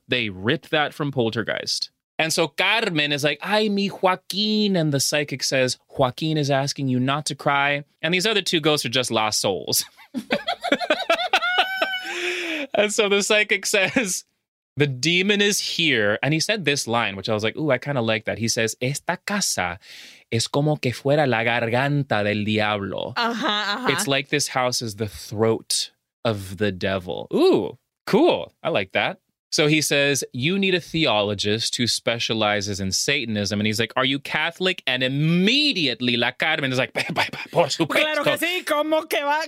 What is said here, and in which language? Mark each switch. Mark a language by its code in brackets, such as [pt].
[en] They rip that from Poltergeist. And so Carmen is like, [es] ay, mi Joaquin. [en] And the psychic says, Joaquin is asking you not to cry. And these other two ghosts are just lost souls. And so the psychic says, the demon is here. And he said this line, which I was like, ooh, I kind of like that. He says, [es] esta casa es como que fuera la garganta del diablo. [en] It's like this house is the throat of the devil. Ooh, cool. I like that. So he says, you need a theologist who specializes in Satanism. And he's like, are you Catholic? And immediately, la Carmen is like, [es] por supuesto. Claro que sí, como que va a...